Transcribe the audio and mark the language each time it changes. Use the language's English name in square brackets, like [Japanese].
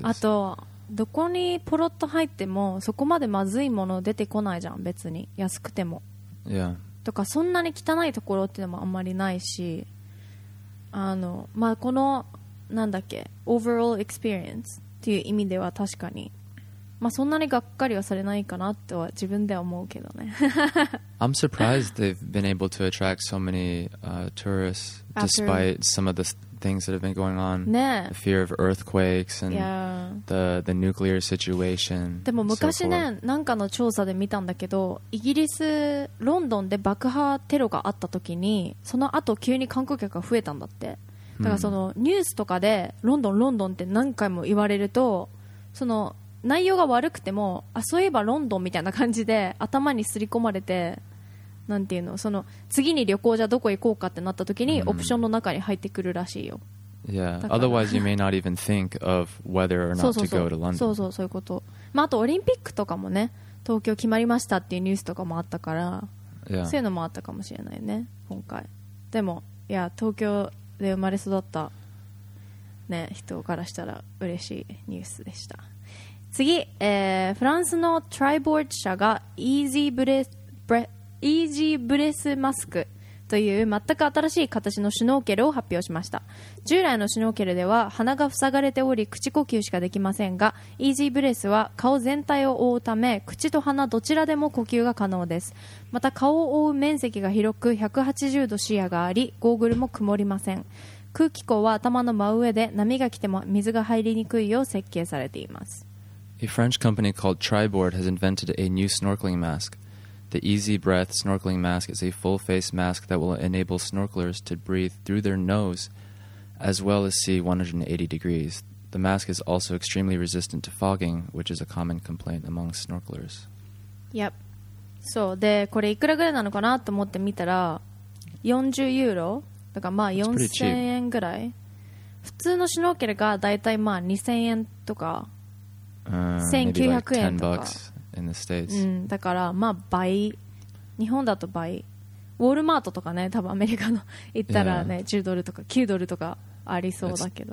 [Japanese] あとどこにポロッと入ってもそこまでまずいもの出てこないじゃん、別に安くても。 [English] Yeah. [Japanese] とかそんなに汚いところっていうのもあんまりないし、あのまあこのなんだっけ [English] overall experience [Japanese] っていう意味では確かに、まあそんなにがっかりはされないかなとは自分では思うけどね。 [English] I'm surprised they've been able to attract so many、tourists despite some of the things that have been going on、 [Japanese] ね、 [English] the fear of earthquakes and、 yeah. the nuclear situation. [Japanese] でも昔ね、 [English] so cool. [Japanese] なんかの調査で見たんだけど、イギリスロンドンで爆破テロがあった時にその後急に観光客が増えたんだって。だからそのニュースとかでロンドンロンドンって何回も言われると、その内容が悪くても、あ、そういえばロンドンみたいな感じで頭に刷り込まれて、なんていうの、その次に旅行じゃどこ行こうかってなった時にオプションの中に入ってくるらしいよ。 [English] Yeah, otherwise you may not even think of whether or not to go to London. [Japanese] そうそう、そういうこと。まあ、あとオリンピックとかもね、東京決まりましたっていうニュースとかもあったから、 [English] Yeah. [Japanese] そういうのもあったかもしれないね、今回。でも、いや、東京で生まれ育った、ね、人からしたら嬉しいニュースでした。次、フランスのトライボード社がイージーブレスマスクという全く新しい形のシュノーケルを発表しました。従来のシュノーケルでは鼻が塞がれており口呼吸しかできませんが、イージーブレスは顔全体を覆うため口と鼻どちらでも呼吸が可能です。また顔を覆う面積が広く180度視野がありゴーグルも曇りません。空気孔は頭の真上で波が来ても水が入りにくいよう設計されています。 [English] A French company called Triboard has invented a new snorkeling mask. The Easy Breath snorkeling mask is a full-face mask that will enable snorkelers to breathe through their nose as well as see 180 degrees. The mask is also extremely resistant to fogging, which is a common complaint among snorkelers. Yep. [Japanese] So, で、これいくらぐらいなのかなと思ってみたら、40ユーロ、だからまあ4000円ぐらい。普通のシュノーケルがだいたいまあ2000円とか。 1900円とか、 [English] maybe like $10 in the States. [Japanese] うん、だからまあ倍、日本だと倍、ウォルマートとかね、多分アメリカの行ったらね、10ドルとか9ドルとかありそうだけど、